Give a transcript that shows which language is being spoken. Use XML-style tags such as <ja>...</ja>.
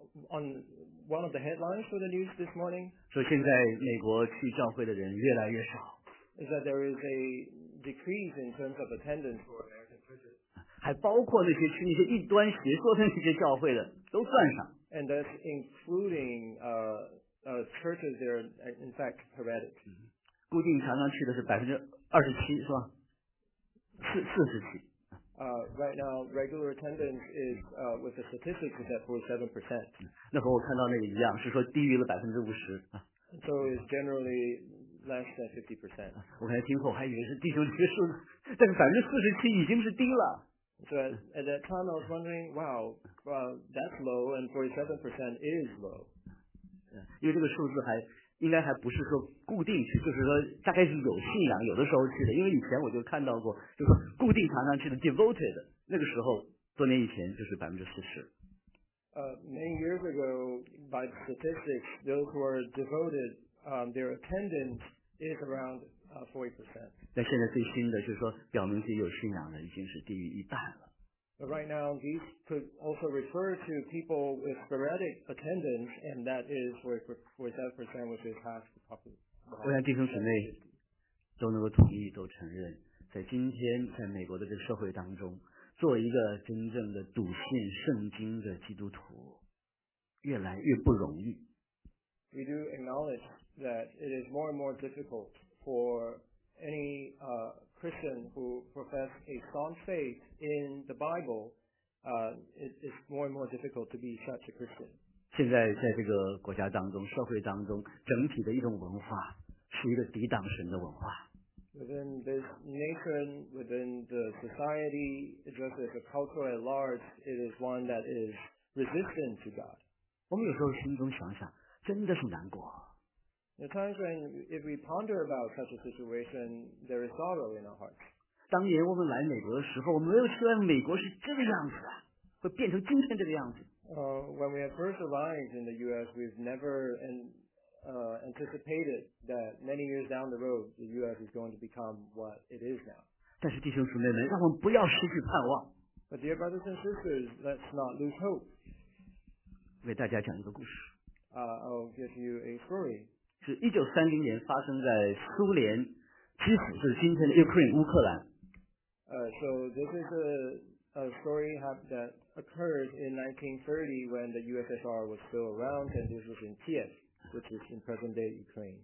<en>on one of the headlines for the news this morning,</en> <zh>说现在美国去教会的人越来越少。</zh> <en>Is that there is a decrease in terms of attendance for American churches.</en> <zh>还包括那些去那些异端邪说的那些教会的都算上。</zh> <en>And that's including, churches that are in fact heretic.</en> <zh>固定常常去的是 27% 是吧47%。</zh> <en>Right now, regular attendance is, with the statistics is at 47%.</en> <zh>那和我看到那个一样是说低于了 50%。</zh> <en>So it's generally less than 50%.</en> <zh>我刚才听后还以为是弟兄结束呢，但是47%已经是低了。</zh> <en>So at that time I was wondering, wow, well, that's low, and 47% is low.</en> <zh>因为这个数字还应该还不是说固定去，就是说大概是有信仰，有的时候去的。因为以前我就看到过，就是固定常常去的 devoted， 那个时候多年以前就是40%。</zh> <en>Many years ago, by statistics, those who are devoted, their attendance is around 40%.</en> <zh>但现在最新的就是说，表明自己有信仰的已经是低于一半了。</zh> <en>But right now, these could also refer to people with sporadic attendance, and that is 47%, which is half the population.</en> <zh>我想弟兄姊妹，都能够同意都承认，在今天在美国的这个社会当中，做一个真正的笃信圣经的基督徒越来越不容易。</zh> <en>We do acknowledge that it is more and more difficult for any Christian who profess a staunch faith in the Bible, it's more and more difficult to be such a Christian.</en> <zh>现在在这个国家当中，社会当中，整体的一种文化是一个抵挡神的文化。</zh> <en>Within this nation, within the society, just as a culture at large, it is one that is resistant to God.</en> <zh>我们有时候心中想想，真的是难过。</zh> <en>The times when, if we ponder about such a situation, there is sorrow in our hearts.</en> <zh>当年我们来美国的时候，我没有希望美国是这个样子啊，会变成今天这个样子。</zh> <en>When we had first arrived in the U.S., we've never anticipated that many years down the road, the U.S. is going to become what it is now.</en> <zh>但是弟兄姊妹们，让我们不要失去盼望。</zh> <en>But dear brothers and sisters, let's not lose hope.</en> <zh>为大家讲一个故事。</zh> <en>I'll give you a story.</en> <zh>是1930年发生在苏联基辅，是今天的 Ukraine 乌克兰。</zh> <en>So this is a story that occurred in 1930 when the USSR was still around, and this was in Kiev, which is in present-day Ukraine.</en>